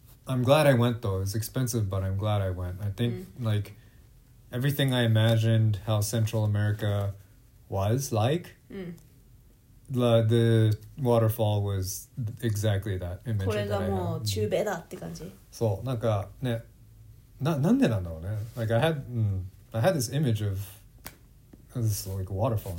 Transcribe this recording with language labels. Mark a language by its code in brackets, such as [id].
[en] I'm glad I went though. It's expensive, but I'm glad I went. I think、mm. like everything I imagined how Central America was like,、 mm. the waterfall was exactly that image that I had. [ja] これがもう中米だって感じ。そう、なんかね、なんでなんだろうね。 [en] Like I had,、mm, I had this image of this like waterfall.